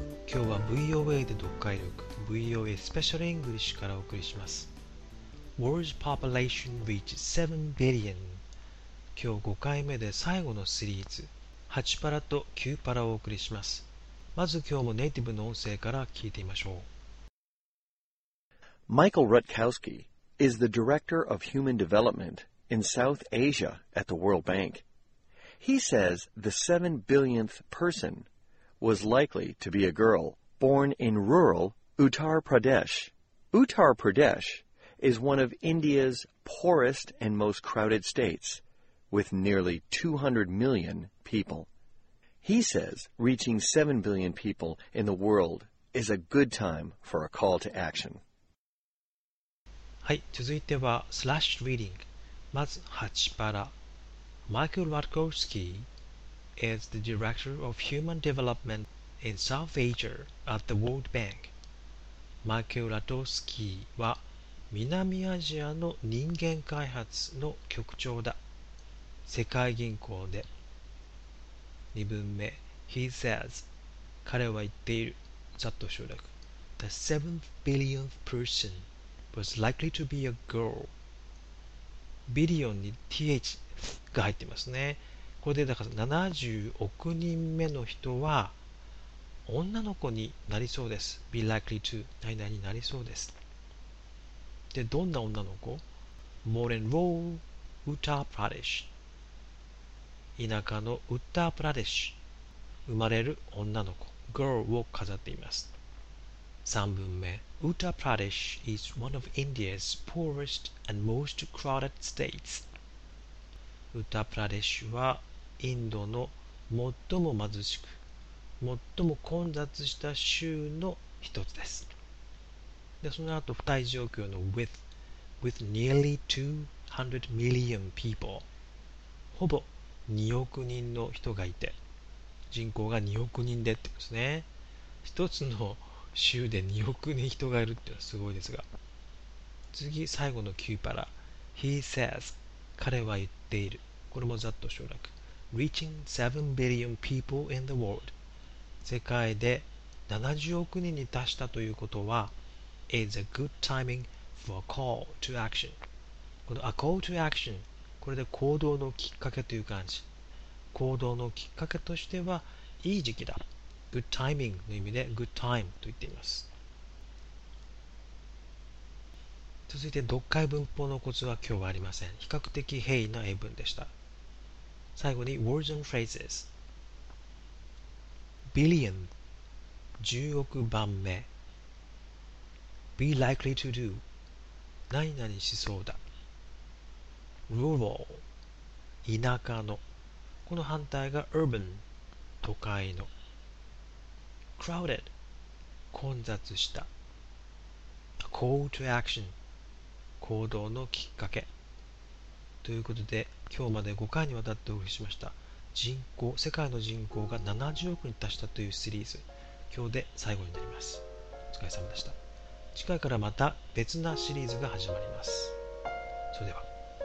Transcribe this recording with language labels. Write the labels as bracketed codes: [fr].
[ja] 今日は VOA で読解力 VOA Special English からお送りします。 [en] World's population reached 7 billion。 [ja] 今日5回目で最後のシリーズ8パラと9パラをお送りします。まず今日もネイティブの音声から聞いてみましょう。 [en] Michael Rutkowski is the Director of Human Development in South Asia at the World Bank. He says the 7 billionth person was likely to be a girl born in rural Uttar Pradesh. Uttar Pradesh is one of India's poorest and most crowded states, with nearly 200 million people. He says reaching 7 billion people in the world is a good time for a call to action. [ja] はい、続いてはスラッシュリーディング。まず8パラ。 [en] Michael Rutkowski is the Director of Human Development in South Asia at the World Bank. [ja] Michael Rutkowski は南アジアの人間開発の局長だ。世界銀行で。2文目。 [en] He says, [ja] 彼は言っている。ざっと省略。 [en] The 7th billionth person. was likely to be a girl. [ja] ビリオンに th が入ってますね。これでだから70億人目の人は女の子になりそうです。 be likely to 何々になりそうです。で、どんな女の子？ [en] more than rural Uttar Pradesh。 [ja] 田舎のウッタープラデシュ。生まれる女の子。 girl を飾っています。 3文目。 [en] Uttar Pradesh is one of India's poorest and most crowded states. [ja] Uttar Pradesh はインドの最も貧しく、最も混雑した州の一つです。で、その後、付帯状況の [en] with nearly 200 million people。 [ja] ほぼ2億人の人がいて、人口が2億人でってことですね。一つの州で2億人人がいるってのはすごいですが、次最後のキューパラ。 [en] He says [ja] 彼は言っている。これもざっと省略。 [en] Reaching 7 billion people in the world。 [ja] 世界で70億人に達したということは [en] is a good timing for a call to action。 [ja] この [en] a call to action、 [ja] これで行動のきっかけという感じ。行動のきっかけとしてはいい時期だ。Good timing の意味で Good time と言っています。続いて読解文法のコツは今日はありません。比較的平易な英文でした。最後に Words and Phrases。 Billion 10億番目。 [en] Be likely to do [ja] 何々しそうだ。 Rural 田舎の、この反対が Urban 都会の。 Crowded 混雑した。 [en] A call to action [ja] 行動のきっかけ。ということで今日まで5回にわたってお送りしました。人口、世界の人口が70億に達したというシリーズ、今日で最後になります。お疲れ様でした。次回からまた別なシリーズが始まります。それでは。